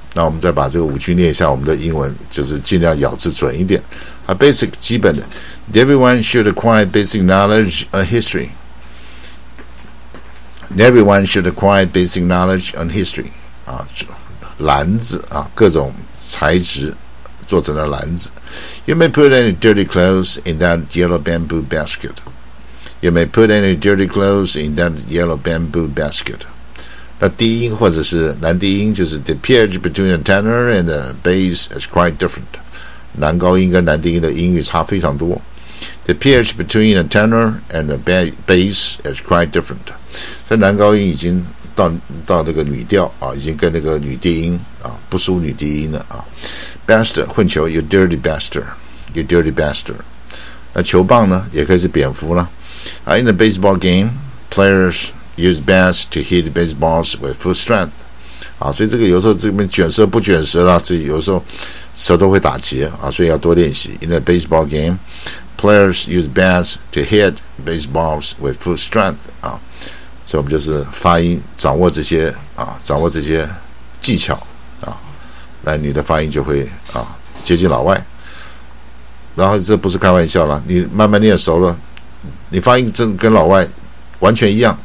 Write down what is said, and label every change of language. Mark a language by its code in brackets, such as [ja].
[zh] 那我们再把这个五句念一下我们的英文就是尽量咬字准一点啊 [en] basic 基本的 Everyone should acquire basic knowledge of historyEveryone should acquire basic knowledge on history. [zh] 啊，篮子啊，各种材质做成的篮子。 [en] You may put any dirty clothes in that yellow bamboo basket. You may put any dirty clothes in that yellow bamboo basket. [zh] 那低音或者是男低音，就是 [en] the pitch between a tenor and a bass is quite different. [zh] 男高音跟男低音的音域差非常多。 [en] The pitch between a tenor and a bass is quite different. [zh] 所以男高音已经到那个女调啊，已经跟那个女低音啊不输女低音了啊。 [en] Bastard 混球 ，you dirty bastard，you dirty bastard。 [zh] 那球棒呢，也可以是蝙蝠了。 [en] In a baseball game, players use bats to hit baseballs with full strength. [zh] 啊，所以这个有时候这边卷舌不卷舌了，这有时候舌头会打结啊，所以要多练习。 [en] In a baseball game. Players use bats to hit baseballs with full strength. [zh] 啊，所以我们就是发音，掌握这些啊，掌握这些技巧啊，那你的发音就会啊接近老外。然后这不是开玩笑了，你慢慢练熟了，你发音真跟老外完全一样。